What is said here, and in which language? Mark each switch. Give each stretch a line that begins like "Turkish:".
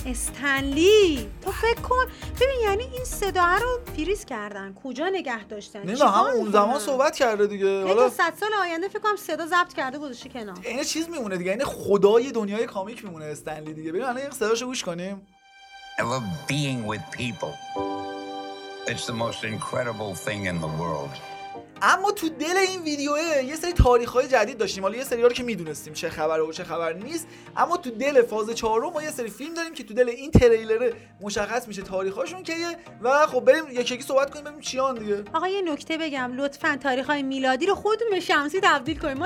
Persian: استنلی. تو فکر کن ببین، یعنی این صدا رو فریز کردن کجا نگه داشتن؟ نه هم اون زمان صحبت کرده دیگه، حالا 100 سال آینده فکر کنم صدا ضبط کرده گذاشته کنار. این چیز میمونه دیگه، یعنی خدای دنیای کامیک میمونه استنلی دیگه. ببین الان یه صداشو گوش کنیم.
English: I love being with people. It's the most incredible thing in the world.
Persian: اما تو دل این ویدیو یه سری تاریخ‌های جدید داشتیم، حالا یه سری‌ها رو که می‌دونستیم چه خبره و چه خبر نیست، اما تو دل فاز 4 ما یه سری فیلم داریم که تو دل این تریلر مشخص میشه تاریخ‌هاشون کیه. و خب بریم یکی یکی صحبت کنیم ببینیم چیان دیگه. آقا یه نکته بگم، لطفاً تاریخ‌های میلادی رو خودمون به شمسی تبدیل کنیم.